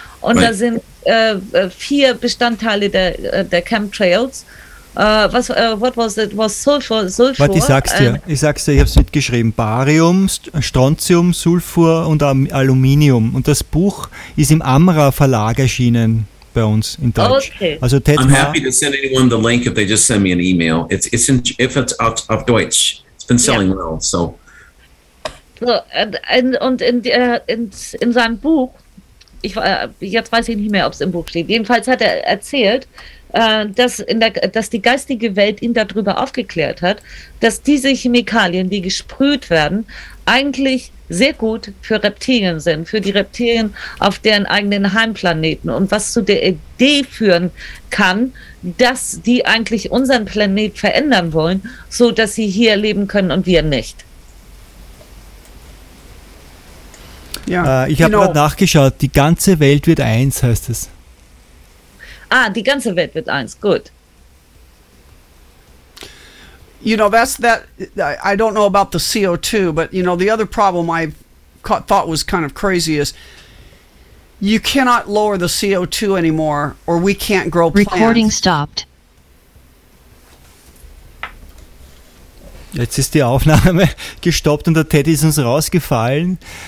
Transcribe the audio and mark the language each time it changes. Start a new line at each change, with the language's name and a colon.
German: Und right. Da sind vier Bestandteile der Chemtrails.
English: What was it? Was Sulfur?
German: Warte, ich sag's dir, ich hab's mitgeschrieben. Barium, Strontium, Sulfur und Aluminium. Und das Buch ist im Amra Verlag erschienen bei uns in Deutsch. Okay. Also
English: I'm happy to send anyone the link if they just send me an email. If it's
German: auf Deutsch.
English: It's been selling well, so.
German: Und in seinem Buch, jetzt weiß ich nicht mehr, ob es im Buch steht. Jedenfalls hat er erzählt, dass die geistige Welt ihn darüber aufgeklärt hat, dass diese Chemikalien, die gesprüht werden, eigentlich sehr gut für Reptilien sind, für die Reptilien auf deren eigenen Heimplaneten und was zu der Idee führen kann, dass die eigentlich unseren Planet verändern wollen, so dass sie hier leben können und wir nicht. Yeah, ich habe gerade nachgeschaut, die ganze Welt wird eins, heißt es. Ah, die ganze Welt wird eins, gut.
English: You know, I don't know about the CO2, but you know, the other problem I thought was kind of crazy is you cannot lower the CO2 anymore or we can't grow plants. Recording stopped.
German: Jetzt ist die Aufnahme gestoppt und der Teddy ist uns rausgefallen.